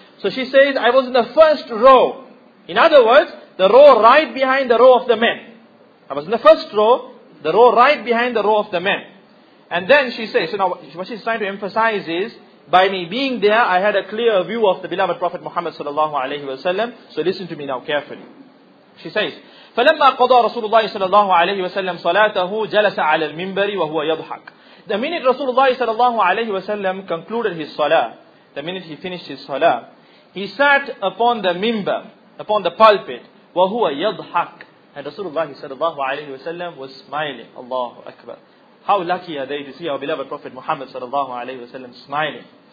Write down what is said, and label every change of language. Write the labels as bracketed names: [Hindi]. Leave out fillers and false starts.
[English] So she says, I was in the first row. In other words, the row right behind the row of the men. I was in the first row, the row right behind the row of the men. And then she says, so now what she's trying to emphasize is, by me being there, I had a clear view of the beloved Prophet Muhammad sallallahu alayhi wa sallam. So listen to me now carefully. She says, [Arabic] فَلَمَّا قَضَى رَسُولُ اللَّهِ سَلَّى عَلَيْهِ وَسَلَّمْ صَلَاتَهُ جَلَسَ عَلَى الْمِنْبَرِ وَهُوَ يَضْحَكُ. [English] The minute Rasulullah sallallahu alayhi wa sallam concluded his salah, the minute he finished his salah, he sat upon the minbar, upon the pulpit, [Arabic] وَهُوَ يَضْحَكُ. [English] And Rasulullah sallallahu alayhi wa sallam was smiling. Allahu Akbar. How lucky are they to see our beloved Prophet Muhammad sallallahu alayhi wa sallam smiling.